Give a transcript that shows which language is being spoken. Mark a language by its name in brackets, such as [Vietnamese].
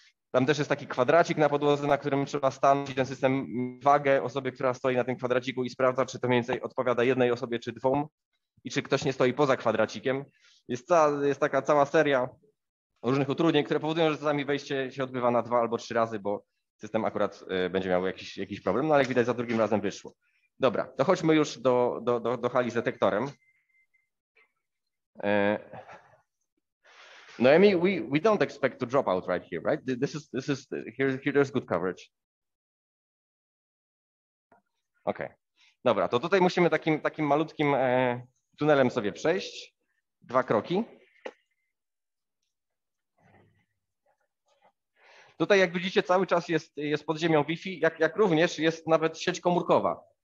[Polish] Tam też jest taki kwadracik na podłodze, na którym trzeba stanąć, ten system wagę osoby, która stoi na tym kwadraciku i sprawdza, czy to mniej więcej odpowiada jednej osobie, czy dwóm i czy ktoś nie stoi poza kwadracikiem. Jest taka cała seria różnych utrudnień, które powodują, że czasami wejście się odbywa na 2 albo 3 razy, bo system akurat będzie miał jakiś problem, no ale jak widać za drugim razem wyszło. Dobra, to chodźmy już do hali z detektorem. [English] Noemi, we don't expect to drop out right here, right? This is here there's good coverage. Okay. [Polish] Dobra, to tutaj musimy takim malutkim tunelem sobie przejść. 2 kroki. Tutaj, jak widzicie, cały czas jest pod ziemią Wi-Fi, jak również jest nawet sieć komórkowa.